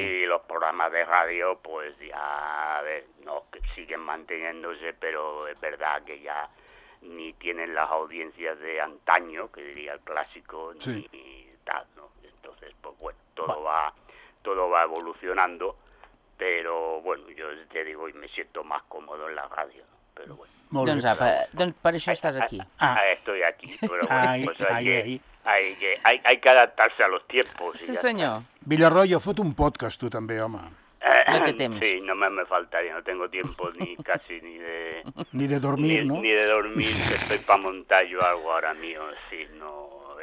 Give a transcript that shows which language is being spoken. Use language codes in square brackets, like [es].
[es] Y los programas de radio, pues ya, a ver, no, que siguen manteniéndose, pero es verdad que ya ni tienen las audiencias de antaño, que diría el clásico, sí. Ni tal, ¿no? Entonces, pues bueno, todo va evolucionando, pero bueno, yo te digo y me siento más cómodo en la radio, ¿no? Pero bueno. [ca] Doncs, per això estàs aquí. [es] Estoy aquí, pero bueno, hay que adaptarse a los tiempos. [ca] Sí, senyor. Villarroya, fot un podcast tu també, home. No té temps. [es] Sí, [ca] només me faltaria, [es] no tengo tiempo ni casi ni de... ni de dormir, ni, ¿no? Ni de dormir, que estoy pa montar yo algo ahora mío, sí, no...